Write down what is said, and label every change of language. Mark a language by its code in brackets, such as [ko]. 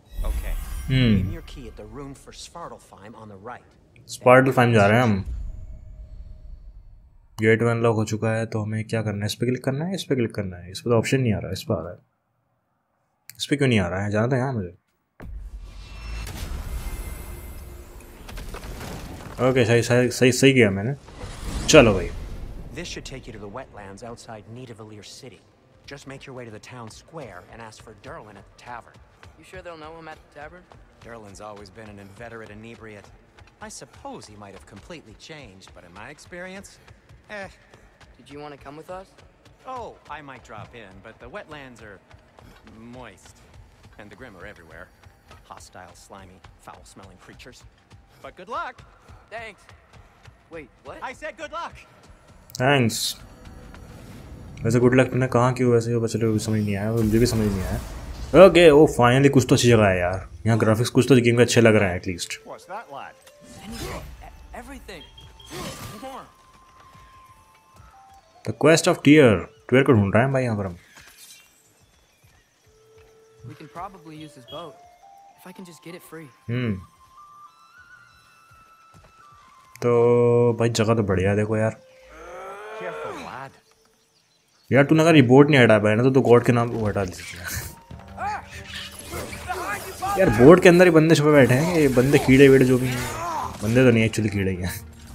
[en] Okay. Aim your key at the room for Svartalfheim on the right. [hi] Svartalfheim जा रहे हैं हम. Get one lock हो चुका है, तो हमें क्या करना है, इस पर क्लिक करना है, इस पर क्लिक करना है, इस पर तो ऑप्शन नहीं आ रहा है, इस पर आ रहा है, इस पर क्यों नहीं आ रहा है, जाना था यहाँ मुझे. ओके सही सही सही किया मैंने. चलो भाई, [en] This should take you to the wetlands outside Needwellier city, just make your way to the town square and ask for Durlin at the tavern. You sure they will know him at the tavern? Durlin's always been an inveterate inebriate. I suppose he might have completely changed, but in my experience. Eh, did you want to come with us? Oh, I might drop in, but the wetlands are moist, and the grim are everywhere. Hostile, slimy, foul-smelling creatures. But good luck! Thanks! Wait, what? I said good luck! Thanks! [hi] वैसे good luck तूने कहाँ क्यों वैसे वो बच्चे को समझ नहीं आया, मुझे भी समझ नहीं आया. Okay, oh, finally कुछ तो अच्छी जगह है यार. यहाँ graphics कुछ तो गेम का अच्छे लग रहा है at least. [en] What's that lot? Everything! More! The quest of Tyr. [hi] Tyr को ढूंढ रहे हैं भाई यहाँ पर हम. [en] We can probably use this boat if I can just get it free. [hi] तो भाई जगह तो बढ़िया है, देखो यार. [en] Careful, lad. [hi] यार तूने अगर ये बोट नहीं हटाया भाई ना, तो गॉड के नाम को हटा दीजिए. यार बोट के अंदर ही बंदे छुपे बैठे हैं, ये बंदे कीड़े वीड़े जो भी हैं, बंदे तो नहीं एक्चुअली कीड़े ही हैं.